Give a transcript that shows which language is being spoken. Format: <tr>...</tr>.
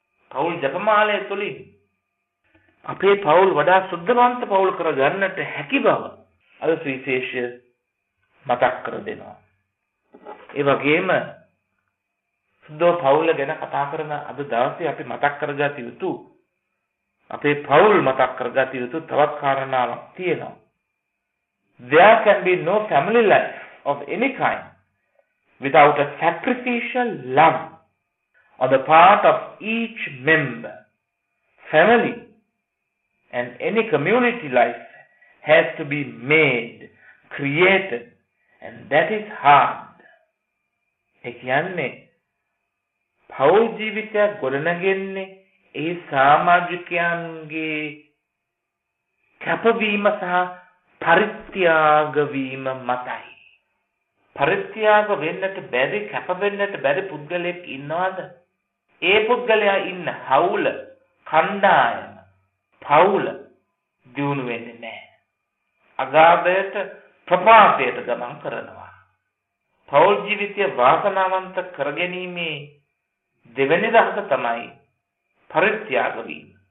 <si>පවුල් ජපමාලය තුළින් අපේ පවුල් වඩා සුද්ධවන්ත පවුල් කර ගන්නට හැකි බව අද සුවිශේෂය මතක් කර දෙනවා. ඒ වගේම සුද්ධ පවුල ගැන කතා කරන අද දවසේ අපි මතක් කරගත යුතු, අපේ පවුල් මතක් කරගත යුතු තවත් කාරණාවක් තියෙනවා.</si> <en>There can be no family life of any kind without a sacrificial love on the part of each member. Family and any community life has to be made, created, and that is hard.</en> <si>ekiyanne paul jeevithaya goranaginne e samajikyange kapavima saha පරිත්‍යාග වීම මතයි. පරිත්‍යාග වෙන්නට බැරි, කැප වෙන්නට බැරි පුද්ගලෙක් ඉන්නවද? ඒ පුද්ගලයා ඉන්න හවුල, කණ්ඩායම, පවුල දියුණු වෙන්නේ නැහැ. අගාධයට ප්‍රපාතයට ගමන් කරනවා. පවුල් ජීවිතය වාසනාවන්ත කරගැනීමේ දෙවැනි දහස තමයි පරිත්‍යාග වීම.</si>